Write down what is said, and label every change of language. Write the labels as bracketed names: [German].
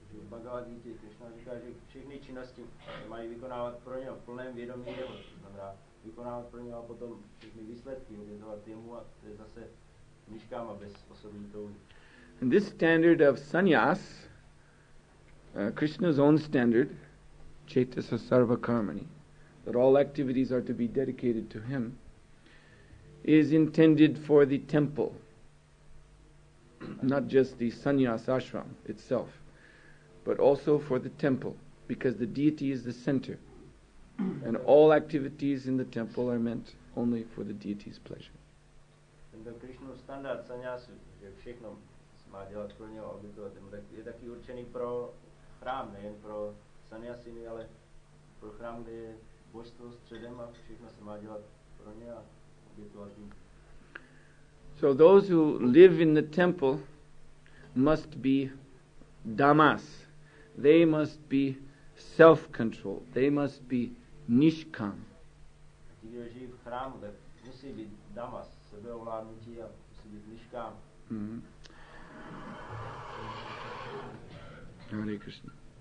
[Czech] Bhagavad Gita Krishna říká, že všechny činnosti mají vykonávat pro něho v plném vědomí, to znamená vykonávat pro něho a potom všechny výsledky obětovat jemu, a to je zase niškáma bez osobní touhy. [English] And this standard of sannyas, Krishna's own standard, chaitasa sarva karmani, that all activities are to be dedicated to Him, is intended for the temple, not just the sannyas ashram itself, but also for the temple, because the deity is the center, and all activities in the temple are meant only for the deity's pleasure. [Czech] Tento Krishna standard sannyasu, že všechno má dělat pro něho, aby to je taky určený pro chrám, nejen pro sannyasiny, ale pro chrám, kde je božstvo středem a všechno se má dělat pro ně a aby to až jim. [English] So those who live in the temple must be damas. They must be self-controlled. They must be nishkam. Hare Krishna.